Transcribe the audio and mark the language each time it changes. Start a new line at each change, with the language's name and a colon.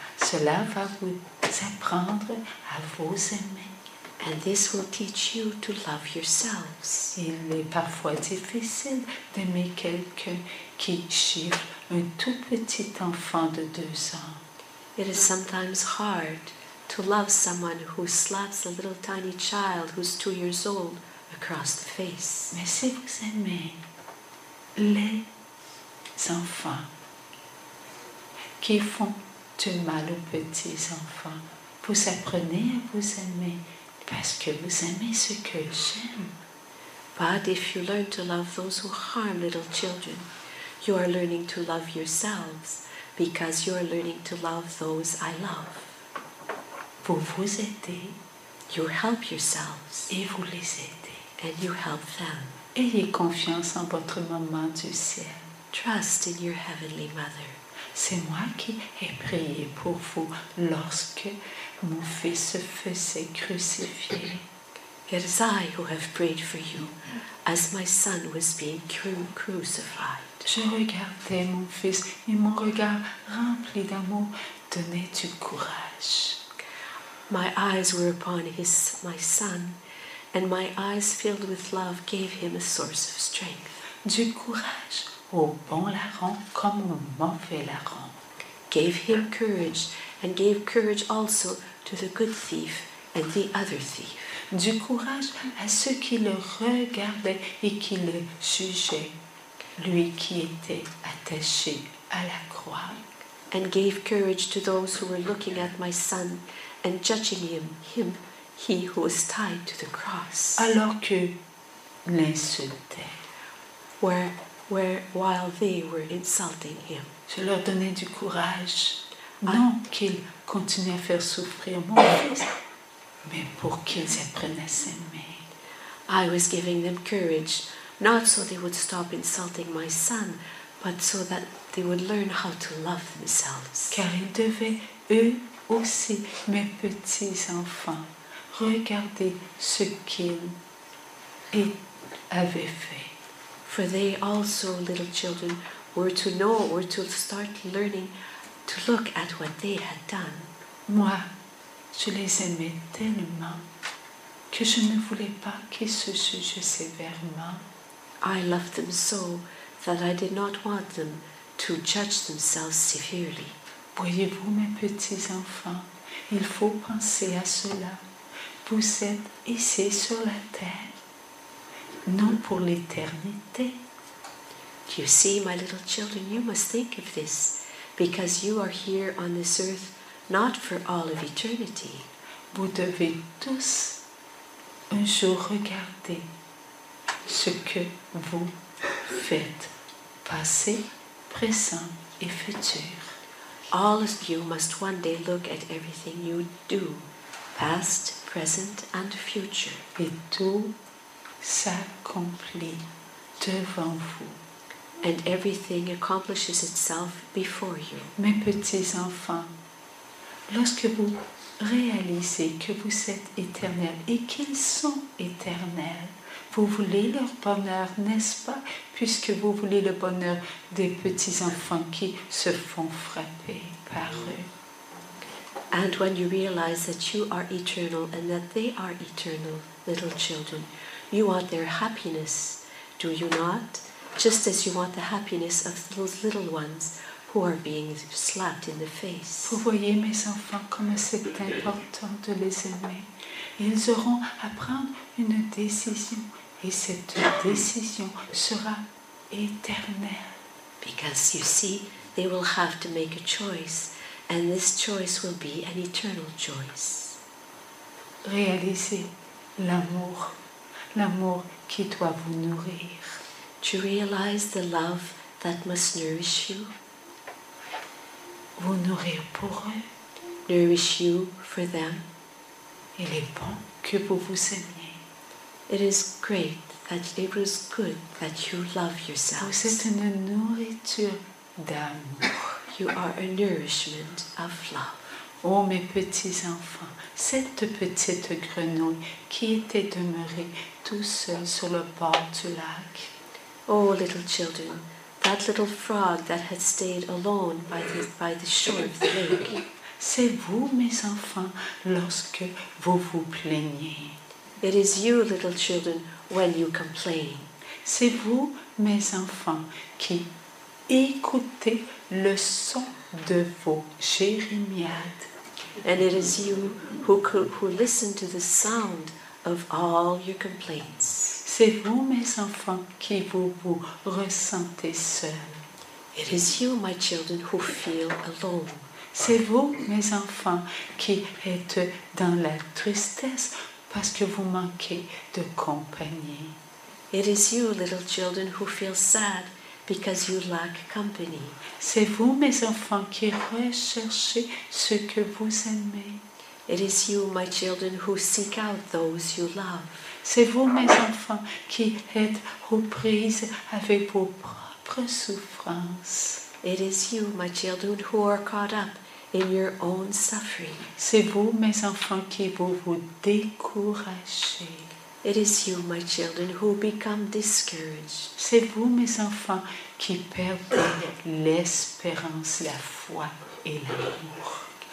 French: Cela va vous apprendre à vous aimer.
English: And this will teach you to love yourselves.
French: Il est parfois difficile d'aimer quelqu'un qui chiffre un tout petit enfant de 2 ans.
English: It is sometimes hard to love someone who slaps a little tiny child who's 2 years old across the face.
French: Mais si vous aimez les enfants qui font du mal aux petits enfants, vous apprenez à vous aimer parce que vous aimez ce que j'aime.
English: But if you learn to love those who harm little children, You are learning to love yourselves because you are learning to love those I love.
French: Vous vous aidez.
English: You help yourselves.
French: Et vous les aidez.
English: And you help them.
French: Ayez confiance en votre maman du ciel.
English: Trust in your heavenly mother.
French: C'est moi qui ai prié pour vous lorsque mon fils se faisait crucifier.
English: It is I who have prayed for you as my son was being crucified.
French: Je regardais mon fils et mon regard rempli d'amour donnait du courage.
English: My eyes were upon my son, and my eyes filled with love gave him a source of strength.
French: Du courage au bon larron comme au mauvais larron.
English: Gave him courage and gave courage also to the good thief and the other thief.
French: Du courage à ceux qui le regardaient et qui le jugeaient, lui qui était attaché à la croix.
English: And gave courage to those who were looking at my son and judging him, he who was tied to the cross.
French: Alors que l'insultaient.
English: While they were insulting him.
French: Je leur donnais du courage, non qu'ils continuaient à faire souffrir mon fils, mais pour qu'ils apprennent à s'aimer.
English: I was giving them courage, not so they would stop insulting my son, but so that they would learn how to love themselves.
French: Car ils devaient, eux aussi, mes petits-enfants, regarder ce qu'ils avaient fait.
English: For they also, little children, were to know or to start learning to look at what they had done.
French: Moi, je les aimais tellement que je ne voulais pas qu'ils se jugent sévèrement.
English: I loved them so that I did not want them to judge themselves severely.
French: Voyez-vous, mes petits enfants, il faut penser à cela. Vous êtes ici sur la terre. Non pour l'éternité.
English: You see, my little children, you must think of this, because you are here on this earth not for all of eternity.
French: Vous devez tous un jour regarder ce que vous faites, passé, présent et futur.
English: All of you must one day look at everything you do, past, present and future.
French: Et tout s'accomplit devant vous.
English: And everything accomplishes itself before you.
French: Mes petits enfants, lorsque vous réalisez que vous êtes éternels et qu'ils sont éternels, vous voulez leur bonheur, n'est-ce pas? Puisque vous voulez le bonheur des petits enfants qui se font frapper par eux.
English: And when you realize that you are eternal and that they are eternal, little children, you want their happiness, do you not? Just as you want the happiness of those little ones who are being slapped in the face.
French: Vous voyez, mes enfants, comme c'est important de les aimer. Ils auront à prendre une décision, et cette décision sera éternelle.
English: Because, you see, they will have to make a choice, and this choice will be an eternal choice.
French: Réalisez l'amour. L'amour qui doit vous nourrir.
English: Do you realize the love that must nourish you?
French: Vous nourrir pour eux.
English: Nourish you for them.
French: Il est bon que vous vous aimiez.
English: It is great that it was good that you love yourself.
French: Vous êtes une nourriture d'amour.
English: You are a nourishment of love.
French: Oh, mes petits enfants, cette petite grenouille qui était demeurée tout seule sur le bord du lac.
English: Oh, little children, that little frog that had stayed alone by the shore of the lake.
French: C'est vous, mes enfants, lorsque vous vous plaignez.
English: It is you, little children, when you complain.
French: C'est vous, mes enfants, qui écoutez le son de vos jérémiades.
English: And it is you who listen to the sound of all your complaints.
French: C'est vous, mes enfants, qui vous ressentez seuls.
English: It is you, my children, who feel alone.
French: C'est vous, mes enfants, qui êtes dans la tristesse parce que vous manquez de compagnie.
English: It is you, little children, who feel sad Because you lack company.
French: C'est vous, mes enfants, qui recherchez ce que vous aimez.
English: It is you, my children, who seek out those you love.
French: C'est vous, mes enfants, qui êtes aux prises avec vos propres souffrances.
English: It is you, my children, who are caught up in your own suffering.
French: C'est vous, mes enfants, qui vous découragez.
English: It is you, my children, who become discouraged.
French: C'est vous, mes enfants, qui perdez l'espérance, la foi et l'amour.